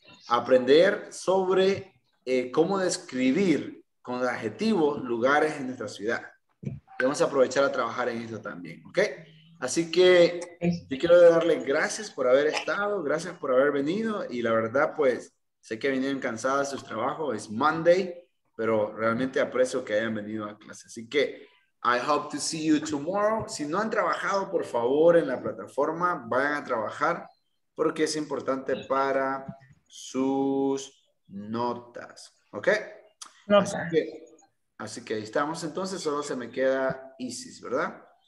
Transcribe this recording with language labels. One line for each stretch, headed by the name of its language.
Spanish: aprender sobre cómo describir con adjetivos lugares en nuestra ciudad. Vamos a aprovechar a trabajar en eso también, ¿ok? Así que yo quiero darle gracias por haber estado, gracias por haber venido, y la verdad, pues, sé que vinieron cansadas de sus trabajos, es Monday, pero realmente aprecio que hayan venido a clase. Así que,
English: I hope to see you tomorrow.
Spanish: Si no han trabajado, por favor, en la plataforma, vayan a trabajar, porque es importante para sus notas, ¿ok? Notas. Así que ahí estamos, entonces, solo se me queda Isis, ¿verdad?